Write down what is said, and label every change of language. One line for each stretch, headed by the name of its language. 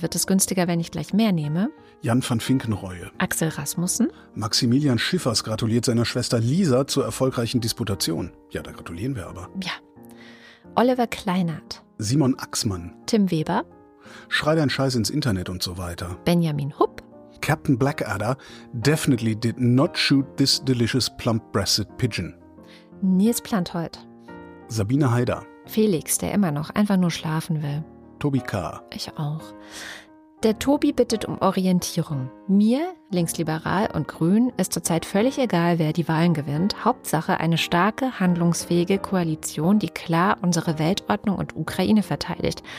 German: Wird es günstiger, wenn ich gleich mehr nehme? Jan van Finkenreue. Axel Rasmussen. Maximilian Schiffers gratuliert seiner Schwester Lisa zur erfolgreichen Disputation. Ja, da gratulieren wir aber. Ja. Oliver Kleinert. Simon Axmann. Tim Weber. Schrei dein Scheiß ins Internet und so weiter. Benjamin Hupp.
English: Captain Blackadder definitely did not shoot this delicious plump-breasted pigeon.
German: Nils Planthold. Sabine Haider. Felix, der immer noch einfach nur schlafen will. Tobi K. Ich auch. Der Tobi bittet um Orientierung. Mir, linksliberal und grün, ist zurzeit völlig egal, wer die Wahlen gewinnt. Hauptsache eine starke, handlungsfähige Koalition, die klar unsere Weltordnung und Ukraine verteidigt.